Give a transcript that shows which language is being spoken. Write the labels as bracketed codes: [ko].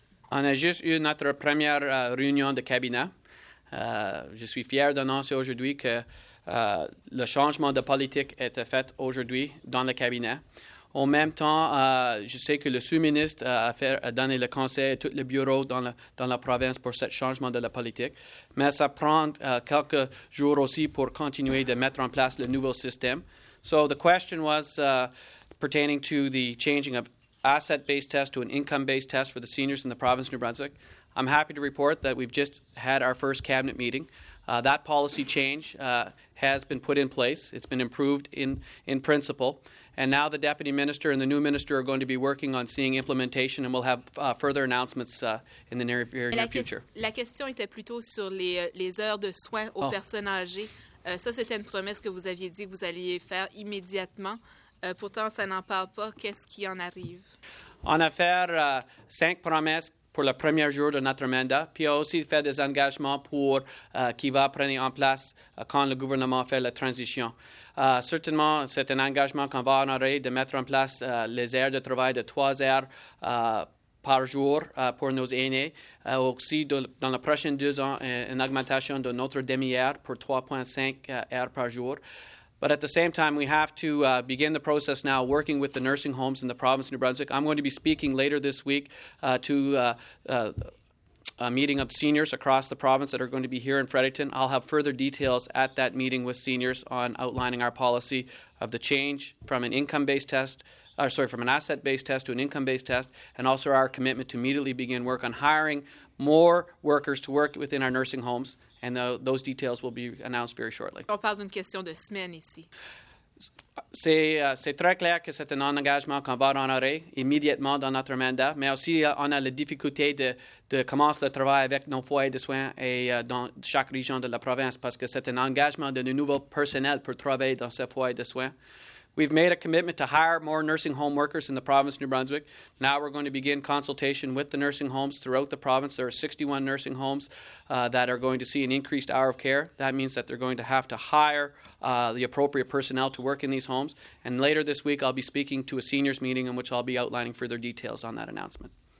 [fr] On a juste eu notre première réunion de cabinet. Je suis fier d'annoncer aujourd'hui que le changement de politique était fait aujourd'hui dans le cabinet. En même temps, je sais que le sous-ministre a donné le conseil à tout le bureau dans la province pour ce changement de la politique. Mais ça prend quelques jours aussi pour continuer de mettre en place le nouveau système. [en] So the question was pertaining to the changing of asset-based test to an income-based test for the seniors in the province of New Brunswick. I'm happy to report that we've just had our first cabinet meeting. That policy change has been put in place. It's been improved in principle. And now the deputy minister and the new minister are going to be working on seeing implementation, and we'll have further announcements in the near future. [fr] La question était plutôt sur les heures de soins aux personnes âgées. Ça, c'était une promesse que vous aviez dit que vous alliez faire immédiatement. Pourtant, ça n'en parle pas. Qu'est-ce qui en arrive? On a fait cinq promesses pour le premier jour de notre mandat, puis on a aussi fait des engagements pour qui va prendre en place quand le gouvernement fait la transition. Certainement, c'est un engagement qu'on va honorer de mettre en place les heures de travail de 3 heures par jour pour nos aînés. Aussi, dans les prochains 2 ans, une augmentation de notre demi-heure pour 3.5 heures par jour. [en] But at the same time, we have to begin the process now working with the nursing homes in the province of New Brunswick. I'm going to be speaking later this week to a meeting of seniors across the province that are going to be here in Fredericton. I'll have further details at that meeting with seniors on outlining our policy of the change from an income-based test from an asset-based test to an income-based test, and also our commitment to immediately begin work on hiring more workers to work within our nursing homes, and those details will be announced very shortly. [fr] On parle d'une question de semaine ici. C'est très clair que c'est un engagement qu'on va honorer immédiatement dans notre mandat, mais aussi on a la difficulté de commencer le travail avec nos foyers de soins et dans chaque région de la province parce que c'est un engagement de nouveau personnel pour travailler dans ces foyers de soins. [en] We've made a commitment to hire more nursing home workers in the province of New Brunswick. Now we're going to begin consultation with the nursing homes throughout the province. There are 61 nursing homes that are going to see an increased hour of care. That means that they're going to have to hire the appropriate personnel to work in these homes. And later this week, I'll be speaking to a seniors meeting in which I'll be outlining further details on that announcement.